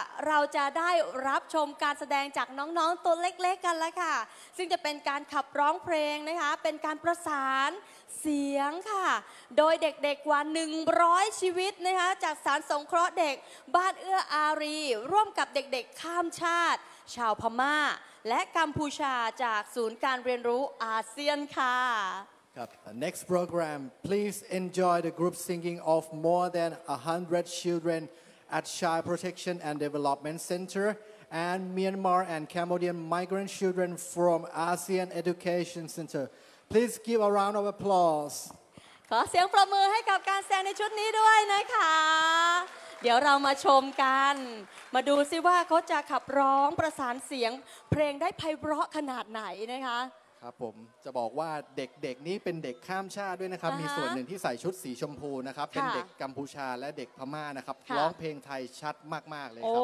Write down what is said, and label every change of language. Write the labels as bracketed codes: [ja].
[th] เราจะได้รับชมการแสดงจากน้องๆตัวเล็กๆกันแล้วค่ะซึ่งจะเป็นการขับร้องเพลงนะคะเป็นการประสานเสียงค่ะโดยเด็กๆกว่า100ชีวิตนะคะจากสารสงเคราะห์เด็กบ้านเอื้ออารีร่วมกับเด็กๆข้ามชาติชาวพม่าและกัมพูชาจากศูนย์การเรียนรู้อาเซียนค่ะ [en] Next program, please enjoy the group singing of more than 100 children at Child Protection and Development Center and Myanmar and Cambodian migrant children from ASEAN Education Center. Please give a round of applause. [th] ขอเสียงปรบมือให้กับการแสดงในชุดนี้ด้วยนะคะเดี๋ยวเรามาชมกันมาดูซิว่าเขาจะขับร้องประสานเสียงเพลงได้ไพเราะขนาดไหนนะคะ ครับผมจะบอกว่าเด็กๆนี้เป็นเด็กข้ามชาติด้วยนะครับ uh-huh. มีส่วนหนึ่งที่ใส่ชุดสีชมพูนะครับ เป็นเด็กกัมพูชาและเด็กพม่านะครับ ร้องเพลงไทยชัดมากๆเลยครับ